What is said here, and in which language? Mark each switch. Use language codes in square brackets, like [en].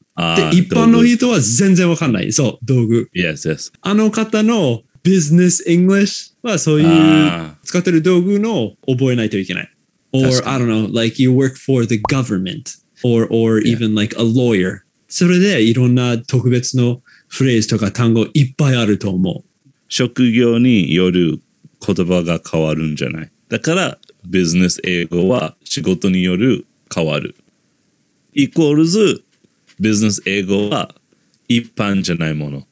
[ja] あで一般の人は全然わかんない。そう道具。 [en] Yes, yes. [ja] あの方のビジネスイングリッシュはそういう使ってる道具の覚えないといけない。 [en] Or I don't know, like you work for the government or even like a lawyer. [ja] それでいろんな特別のフレーズとか単語いっぱいあると思う。職業による言葉が変わるんじゃない。だからビジネス英語は仕事による変わる。イコールズビジネス英語は一般じゃないもの。